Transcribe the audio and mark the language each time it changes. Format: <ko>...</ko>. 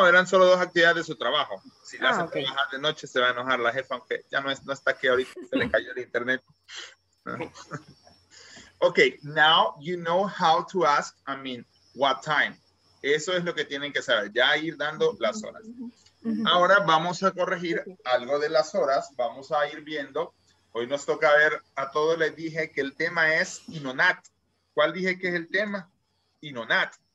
<es>No, eran solo dos actividades de su trabajo. Si la hace trabajar de noche, se va a enojar la jefa, aunque ya no está aquí ahorita, se le cayó el internet.</es> <en>Ok, now you know how to ask, I mean, what time.</en> <es>Eso es lo que tienen que saber, ya ir dando las horas. Ahora vamos a corregir algo de las horas, vamos a ir viendo. Hoy nos toca ver, a todos les dije que el tema es Inonat. ¿Cuál dije que es el tema? Inonat.</es>